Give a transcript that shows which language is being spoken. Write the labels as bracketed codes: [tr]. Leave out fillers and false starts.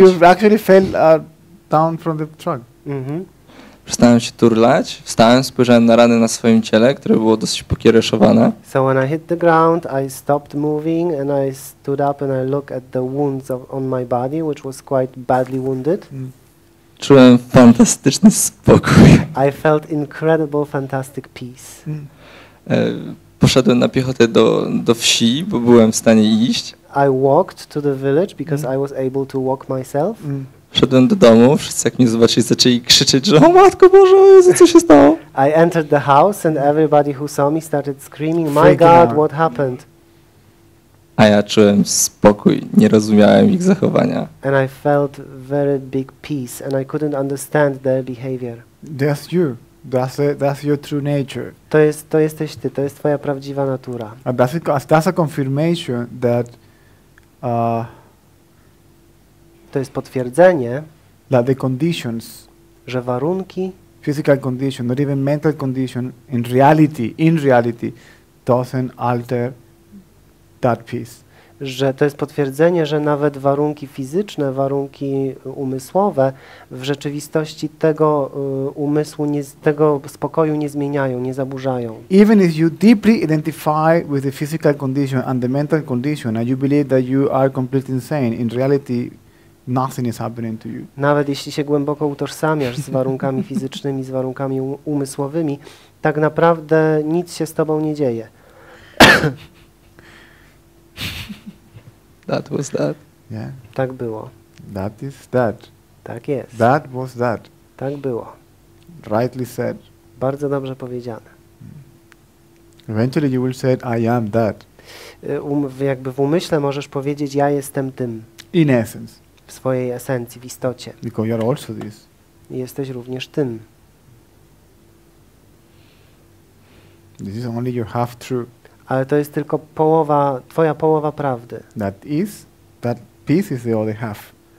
[en] You actually fell down from the truck. Mm-hmm. [pl] Przestałem się turlać, wstałem, spojrzałem na rany na swoim ciele, które było dosyć pokiereszowane. [en] So when I hit the ground, I stopped moving and I stood up and I looked at the wounds on my body, which was quite badly wounded. [pl] Czułem fantastyczny spokój. [en] I felt incredible, fantastic peace. [pl] Poszedłem na piechotę do wsi, bo byłem w stanie iść. [en] I walked to the village because I was able to walk myself. [pl] Szedłem do domu, wszyscy jak mnie zobaczyli, zaczęli krzyczeć, że o Matko Boże, o Jezu, co się stało? [en] I entered the house and everybody who saw me started screaming, my God, what happened? [pl] A ja czułem spokój, nie rozumiałem ich zachowania. [en] And I felt very big peace and I couldn't understand their behavior. That's you. That's your true nature. [pl] To jesteś ty, to jest twoja prawdziwa natura. [en] That's a confirmation that [pl] to jest potwierdzenie, [en] that the conditions, [pl] że warunki, [en] physical condition, not even mental condition, in reality doesn't alter that peace. [pl] Że to jest potwierdzenie, że nawet warunki fizyczne, warunki umysłowe w rzeczywistości tego umysłu, tego spokoju nie zmieniają, nie zaburzają. [en] Even if you deeply identify with the physical condition and the mental condition and you believe that you are completely insane, in reality nothing is happening to you. [pl] Nawet jeśli się głęboko utożsamiasz z warunkami fizycznymi, z warunkami umysłowymi, tak naprawdę nic się z tobą nie dzieje. [en] That was that. Yeah. [pl] Tak było. [en] That is that. [pl] Tak jest. [en] That was that. [pl] Tak było. [en] Rightly said. [pl] Bardzo dobrze powiedziane. [en] Eventually you will say, I am that. [pl] Jakby w umyśle możesz powiedzieć, ja jestem tym. [en] In essence. [pl] W swojej esencji, w istocie. [en] Because you are also this. [pl] Jesteś również tym. [en] This is only your half true. [pl] Ale to jest tylko połowa, twoja połowa prawdy. [en] That is, that peace is the other half.